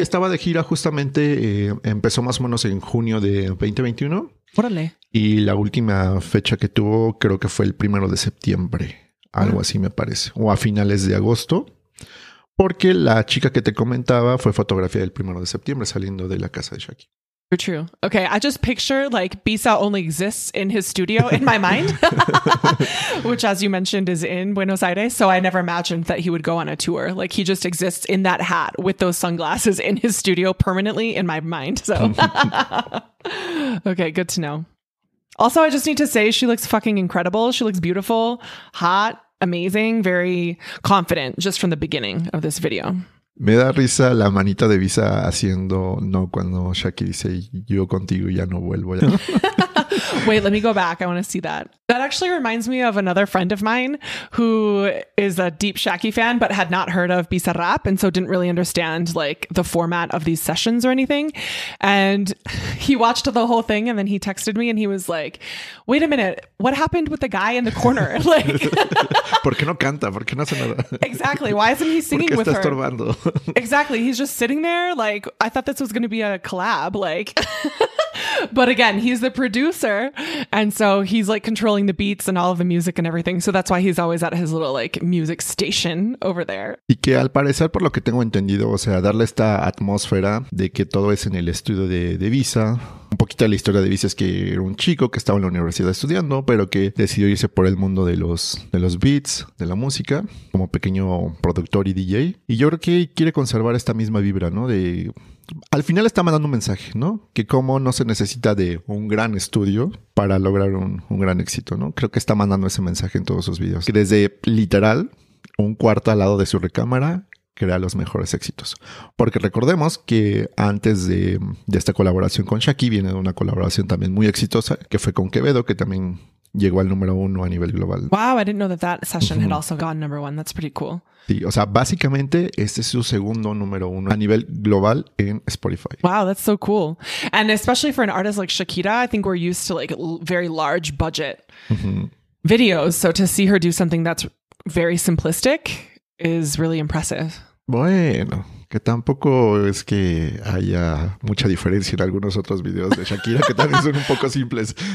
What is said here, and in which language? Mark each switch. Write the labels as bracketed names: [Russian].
[Spanish] Estaba de gira justamente, empezó más o menos en junio de 2021. Órale. Y la última fecha que tuvo creo que fue el primero de septiembre, algo así me parece, o a finales de agosto, porque la chica que te comentaba fue fotografía del primero de septiembre saliendo de la casa de Shaki. [English] True. Okay, I just picture like Visa only exists in his studio in my mind, which as you mentioned is in Buenos Aires, so I never imagined that he would go on a tour. Like he just exists in that hat with those sunglasses in his studio permanently in my mind. So okay, good to know. Also, I just need to say she looks fucking incredible. She looks beautiful, hot, amazing, very confident just from the beginning of this video. [Spanish] Me da risa la manita de Visa haciendo no cuando Shaki dice yo contigo ya no vuelvo. Ya no. [English] Wait, let me go back. I want to see that. That actually reminds me of another friend of mine who is a deep Shaki fan, but had not heard of Bizarrap and so didn't really understand like the format of these sessions or anything. And he watched the whole thing and then he texted me and he was like, wait a minute, what happened with the guy in the corner? Like, [Spanish] ¿por qué no canta? ¿Por qué no hace nada? [English] Exactly. Why isn't he singing with her? [Spanish] ¿Por qué está estorbando? [English] Exactly. He's just sitting there. Like, I thought this was going to be a collab. Like, but again, he's the producer. And so he's like controlling the beats and all of the music and everything. So that's why he's always at his little like music station over there. [Spanish] Y que al parecer, por lo que tengo entendido, o sea, darle esta atmósfera de que todo es en el estudio de Visa. Un poquito de la historia de Visa es que era un chico que estaba en la universidad estudiando, pero que decidió irse por el mundo de los beats, de la música, como pequeño productor y DJ. Y yo creo que quiere conservar esta misma vibra, ¿no? De al final está mandando un mensaje, ¿no? Que como no se necesita de un gran estudio para lograr un gran éxito, ¿no? Creo que está mandando ese mensaje en todos sus videos. Que desde literal, un cuarto al lado de su recámara crea los mejores éxitos. Porque recordemos que antes de esta colaboración con Shaki viene una colaboración también muy exitosa que fue con Quevedo, que también llegó al número uno a nivel global. [English] Wow, I didn't know that session uh-huh. had also gone number one. That's pretty cool. [Spanish] Sí, o sea, básicamente este es su segundo número uno a nivel global en Spotify. [English] Wow, that's so cool. And especially for an artist like Shakira, I think we're used to like very large budget uh-huh. videos. So to see her do something that's very simplistic is really impressive. [Spanish] Bueno, que tampoco es que haya mucha diferencia en algunos otros videos de Shakira que también son un poco simples.